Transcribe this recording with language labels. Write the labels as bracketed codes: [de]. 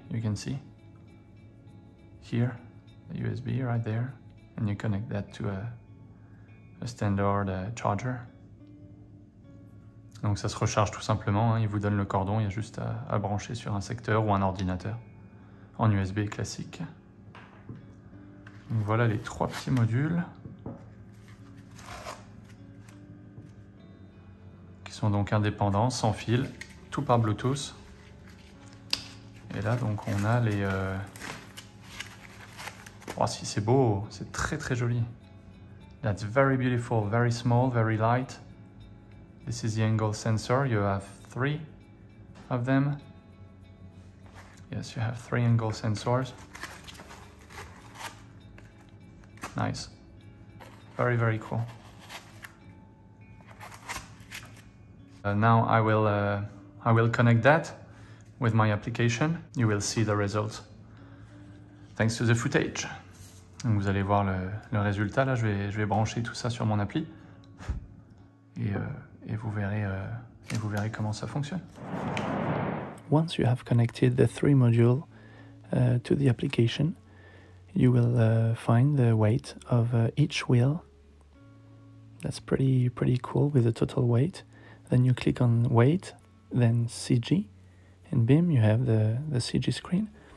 [en] You can see here the USB right there. And you connect that to a standard charger. [fr] Donc ça se recharge tout simplement, hein. Il vous donne le cordon, il y a juste à brancher sur un secteur ou un ordinateur en USB classique. Donc voilà les trois petits modules qui sont donc indépendants, sans fil, tout par Bluetooth. Et là donc on a les... Oh, si, c'est beau, c'est très très joli. [en] That's very beautiful, very small, very light. This is the angle sensor. You have three of them. Yes, you have three angle sensors. Nice. Very, very cool. Now I will connect that with my application. You will see the results thanks to the footage. [fr] Donc vous allez voir le résultat, là je vais brancher tout ça sur mon appli et vous verrez comment ça fonctionne. [en] Once you have connected the three modules to the application, you will find the weight of each wheel. That's pretty cool with the total weight. Then you click on weight, then CG, and bim, you have the CG screen.